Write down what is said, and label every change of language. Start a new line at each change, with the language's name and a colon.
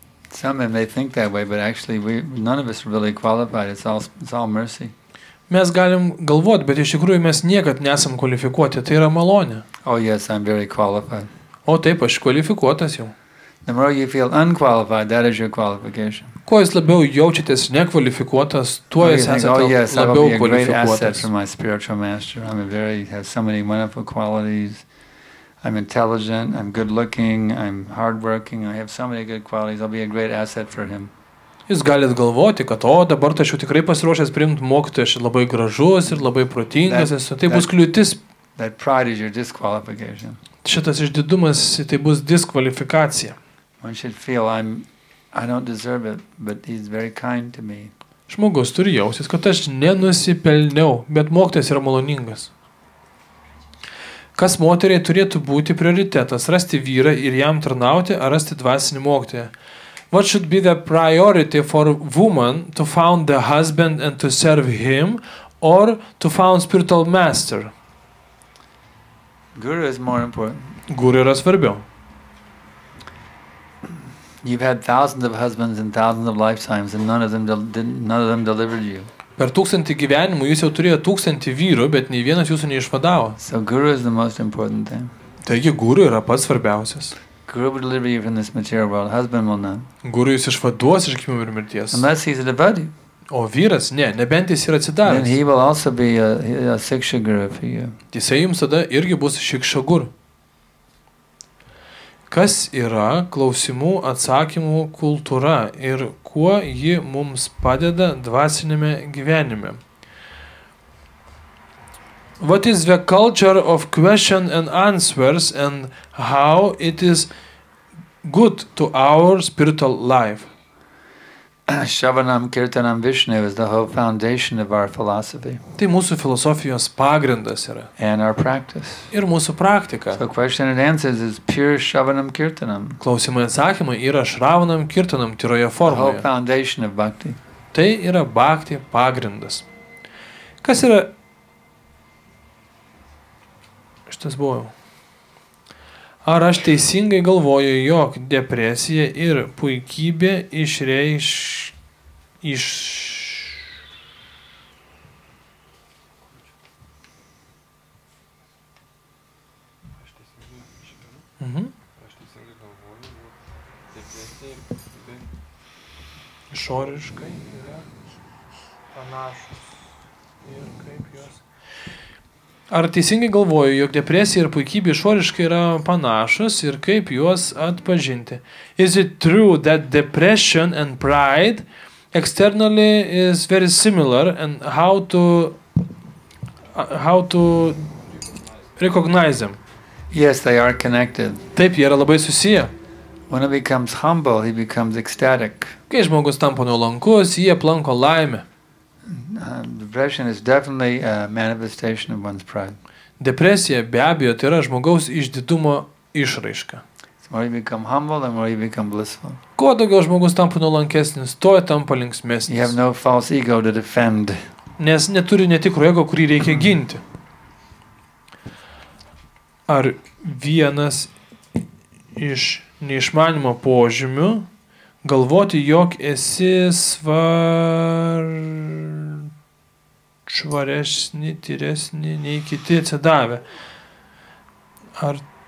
English: some and they think that way, but actually we none of us are really qualified. It's all mercy.
Lithuanian: Mes galim galvot, bet iš tikrųjų mes niekad nesam kvalifikuoti, tai yra malonė.
English: Oh yes, I'm very qualified.
Lithuanian: O taip, aš kvalifikuotas jau.
English: The more you feel unqualified, that is your qualification.
Lithuanian: Kuo jūs labiau jaučiatės nekvalifikuotas, tuo jūs esate labiau kvalifikuotas.
English: For my spiritual master, I'm a very has so many wonderful qualities. I'm intelligent, I'm good looking, I'm hard working, I have so many good qualities. I'll be a great asset for him.
Lithuanian: Jūs galite galvoti, kad o dabar aš jau tikrai pasiruošęs priimti mokytoją, aš labai gražus ir labai protingas, tai bus kliūtis.
English: That pride is your disqualification.
Lithuanian: Šitas išdidumas tai bus diskvalifikacija.
English: One should feel I don't deserve it, but he's very kind to me.
Lithuanian: Žmogus turi jausis, kad aš nenusipelniau, bet mokytojas yra maloningas. Kas moteriai turėtų būti prioritetas, rasti vyrą ir jam tarnauti, ar rasti dvasinį mokytoją?
English: What should be the priority for woman to found the husband and to serve him or to found spiritual master? Guru is more important.
Lithuanian: Guru yra svarbiau.
English: You've had thousands of husbands and thousands of lifetimes and none of them delivered you.
Lithuanian: Per tūkstantį gyvenimų jūs jau turėjo tūkstantį vyrų, bet nei vienas jūsų neišvadavo.
English: So guru is the most important thing.
Lithuanian: Taigi guru yra pats svarbiausias.
English: Guru will deliver you from this material world. Husband will not.
Lithuanian: Guru jūs išvaduos iš gimimo ir mirties.
English: Unless he's a devotee.
Lithuanian: O vyras, ne, nebent jis yra atsidavęs.
English: Then he will also be a siksha guru for you.
Lithuanian: Jisai jums tada irgi bus siksha guru. Kas yra klausimų atsakymų kultūra ir kuo ji mums padeda dvasinėme gyvenime?
English: What is the culture of question and answers and how it is good to our spiritual life? Shravanam Kirtanam Vishnu is the whole foundation of our philosophy.
Lithuanian: Tai mūsų filosofijos pagrindas yra.
English: And our practice.
Lithuanian: Ir mūsų praktika.
English: So question and answers is pure Shravanam Kirtanam.
Lithuanian: Klausimai atsakymai yra Shravanam Kirtanam tyroje formoje.
English: The whole foundation of bhakti.
Lithuanian: Tai yra bhakti pagrindas. Kas yra... Šitas buvo. Ar aš teisingai galvoju, jog depresija ir puikybė išoriškai yra panašus ir kaip jos... Ar teisingai galvoju, jog depresija ir puikybė išoriškai yra panašus ir kaip juos atpažinti?
English: Is it true that depression and pride externally is very similar and how to recognize them? Yes, they are connected.
Lithuanian: Taip, jie yra labai susiję.
English: When he becomes humble, he becomes ecstatic.
Lithuanian: Kai žmogus tampa nuolankus, jie aplanko laimę.
English: Depression is definitely a manifestation of one's pride.
Lithuanian: Depresija be abejo tai yra žmogaus išdidumo išraiška.
English: The more you become humble, the more you become blissful.
Lithuanian: Kuo daugiau žmogus tampa nuolankesnis, tuo tampa linksmesnis.
English: You have no false ego to defend.
Lithuanian: Nes neturi netikro ego, kurį reikia ginti. Ar vienas iš neišmanimo požymių galvoti, jog esi švaresni, tyresni, nei kiti atsidavę. Ar...